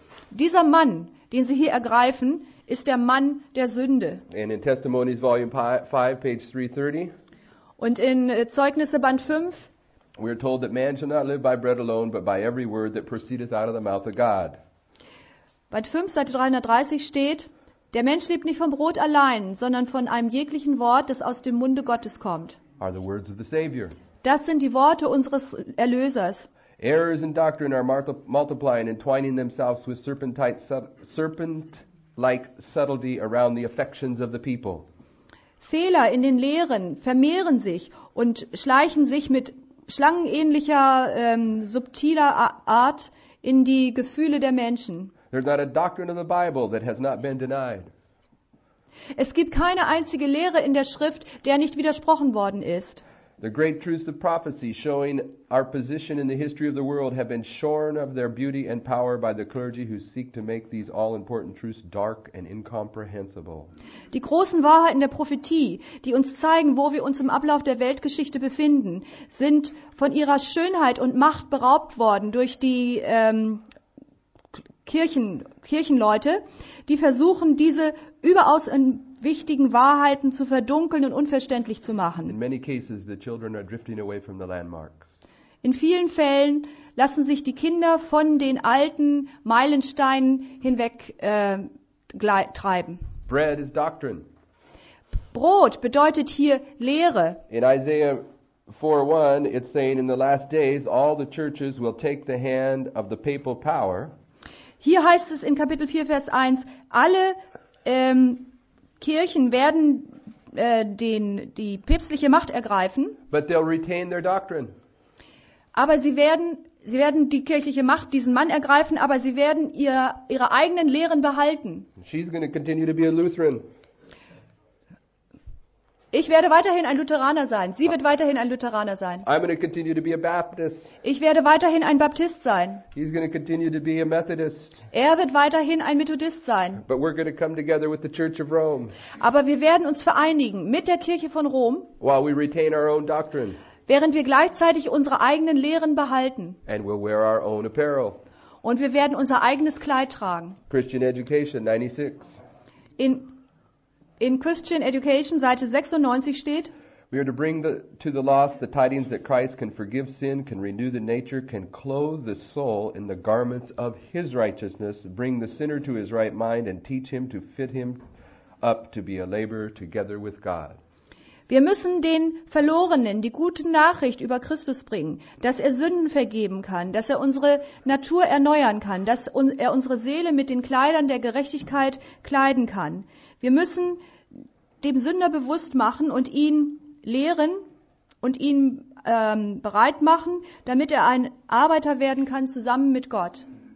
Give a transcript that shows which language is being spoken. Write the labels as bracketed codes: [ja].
[de] Dieser Mann, den sie hier ergreifen, ist der Mann der Sünde. [en] And in Testimonies Volume 5, page 330. [de] Und in Zeugnisse Band 5. [en] We are told that man shall not live by bread alone, but by every word that proceedeth out of the mouth of God. [de] Band 5, Seite 330 steht, der Mensch lebt nicht vom Brot allein, sondern von einem jeglichen Wort, das aus dem Munde Gottes kommt. [en] Are the words of the Savior. [de] Das sind die Worte unseres Erlösers. [en] Errors in doctrine are multiplying and twining themselves with serpent-like subtlety around the affections of the people. [de] Fehler in den Lehren vermehren sich und schleichen sich mit schlangenähnlicher, subtiler Art in die Gefühle der Menschen. [en] There's not a doctrine of the Bible that has not been denied. [de] Es gibt keine einzige Lehre in der Schrift, der nicht widersprochen worden ist. [en] The great truths of prophecy showing our position in the history of the world have been shorn of their beauty and power by the clergy who seek to make these all-important truths dark and incomprehensible. [de] Die großen Wahrheiten der Prophetie, die uns zeigen, wo wir uns im Ablauf der Weltgeschichte befinden, sind von ihrer Schönheit und Macht beraubt worden durch die Kirchenleute, die versuchen, diese überaus wichtigen Wahrheiten zu verdunkeln und unverständlich zu machen. [en] In many cases, the children are drifting away from the landmarks. [de] In vielen Fällen lassen sich die Kinder von den alten Meilensteinen hinweg treiben. [en] Bread is doctrine. [de] Brot bedeutet hier Lehre. [en] In Isaiah 4:1, it's saying in the last days all the churches will take the hand of the papal power. [de] Hier heißt es in Kapitel 4, Vers 1, alle Kirchen werden die päpstliche Macht ergreifen, [en] but they'll retain their doctrine. [de] aber sie werden die kirchliche Macht, diesen Mann ergreifen, aber sie werden ihre eigenen Lehren behalten. [en] She's going to continue to be a Lutheran. [de] Ich werde weiterhin ein Lutheraner sein. Sie wird weiterhin ein Lutheraner sein. [en] I'm going to continue to be a Baptist. [de] Ich werde weiterhin ein Baptist sein. [en] He's going to continue to be a Methodist. [de] Er wird weiterhin ein Methodist sein. [en] But we're going to come together with the Church of Rome. [de] Aber wir werden uns vereinigen mit der Kirche von Rom, [en] while we retain our own doctrine. [de] Während wir gleichzeitig unsere eigenen Lehren behalten. [en] And we'll wear our own apparel. [de] Und wir werden unser eigenes Kleid tragen. [en] Christian Education 96. [de] In Christian Education, Seite 96 steht, [en] we are to bring to the lost the tidings that Christ can forgive sin, can renew the nature, can clothe the soul in the garments of his righteousness, bring the sinner to his right mind and teach him to fit him up to be a laborer together with God. [de] Wir müssen den Verlorenen die gute Nachricht über Christus bringen, dass er Sünden vergeben kann, dass er unsere Natur erneuern kann, dass er unsere Seele mit den Kleidern der Gerechtigkeit kleiden kann. Wir müssen dem Sünder bewusst machen und ihn lehren und ihn bereit machen, damit er ein Arbeiter werden kann zusammen mit Gott.